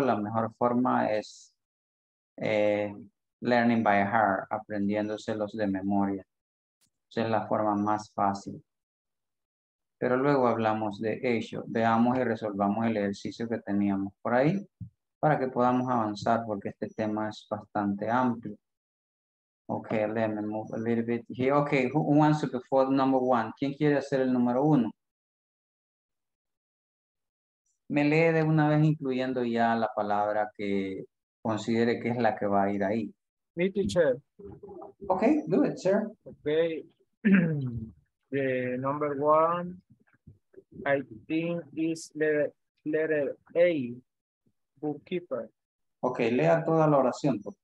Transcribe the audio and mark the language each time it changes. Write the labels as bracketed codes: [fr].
[es] La mejor forma es [en] learning by heart, [es] aprendiéndoselos de memoria. Esa es la forma más fácil. Pero luego hablamos de ello. Veamos y resolvamos el ejercicio que teníamos por ahí para que podamos avanzar porque este tema es bastante amplio. [en] Okay, let me move a little bit here. Okay, who wants to perform the number one? [es] ¿Quién quiere hacer el número uno? Me lee de una vez incluyendo ya la palabra que considere que es la que va a ir ahí. [en] Me, teacher. Okay, do it, sir. Okay. The number one, I think is letter A, bookkeeper. [es] Okay, lea toda la oración.